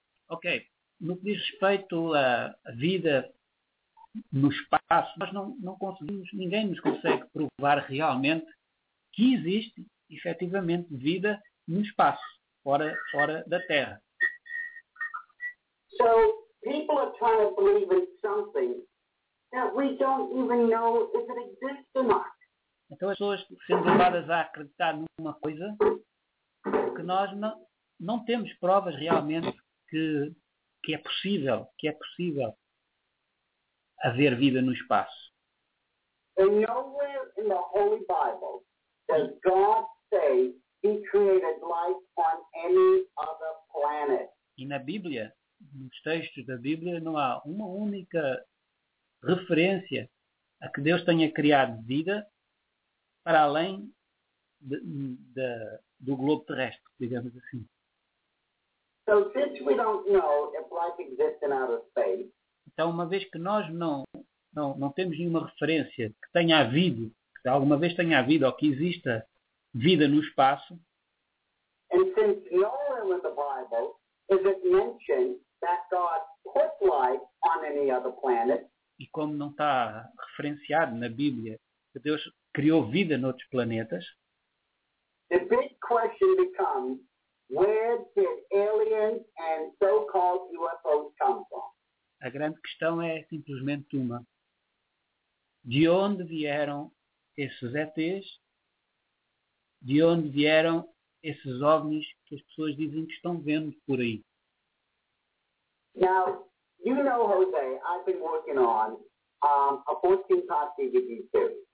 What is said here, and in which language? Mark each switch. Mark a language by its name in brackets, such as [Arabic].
[English] Okay. [Portuguese] No que diz respeito à vida no espaço, nós não conseguimos, ninguém nos consegue provar realmente que existe, efetivamente, vida no espaço, fora da Terra. [English] So, people are trying to believe in something that we don't even know if it exists or not. [Portuguese] Então as pessoas sendo levadas a acreditar numa coisa que nós não temos provas realmente que é possível. haver vida no espaço. [English] And nowhere in the Holy Bible does God say he created life on any other planet. [Portuguese] E na Bíblia, nos textos da Bíblia, não há uma única referência a que Deus tenha criado vida para além do globo terrestre, digamos assim. [English] So, since we don't know if life exists in outer space, [Portuguese] então, uma vez que nós não temos nenhuma referência que tenha havido, que alguma vez tenha havido ou que exista vida no espaço, [English] and since nowhere in the Bible is it mentioned that God put life on any other planet, [Portuguese] e como não está referenciado na Bíblia que Deus criou vida noutros planetas, [English] the big question becomes, where did aliens and so-called UFOs come from? [Portuguese] A grande questão é simplesmente uma. De onde vieram esses ETs? De onde vieram esses OVNIs que as pessoas dizem que estão vendo por aí? [English] Now, you know, Jose, I've been working on a 14-part DVD series.